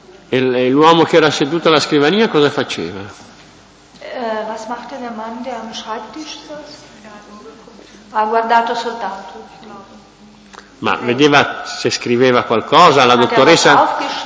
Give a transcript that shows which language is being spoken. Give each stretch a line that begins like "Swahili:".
Italian: E l'uomo che era seduto alla scrivania cosa faceva?
German: Was machte der Mann, der am Schreibtisch saß?
Italian: Ha guardato soltanto. Ma vedeva se scriveva qualcosa la dottoressa?